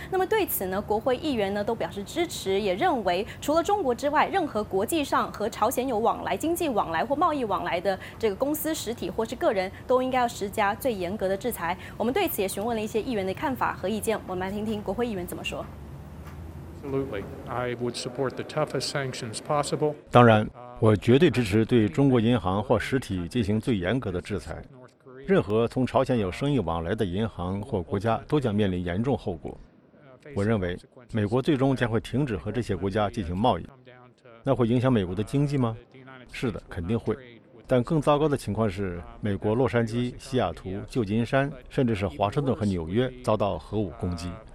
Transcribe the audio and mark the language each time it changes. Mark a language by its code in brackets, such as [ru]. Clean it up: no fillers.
[zh] 那么对此呢，国会议员呢都表示支持，也认为除了中国之外，任何国际上和朝鲜有往来、经济往来或贸易往来的这个公司、实体或是个人，都应该要施加最严格的制裁。我们对此也询问了一些议员的看法和意见，我们来听听国会议员怎么说。 [en] Absolutely, I would support the toughest sanctions possible. [zh] 当然，我绝对支持对中国银行或实体进行最严格的制裁。任何从朝鲜有生意往来的银行或国家都将面临严重后果。我认为美国最终将会停止和这些国家进行贸易。那会影响美国的经济吗？是的，肯定会。但更糟糕的情况是，美国洛杉矶、西雅图、旧金山，甚至是华盛顿和纽约遭到核武攻击。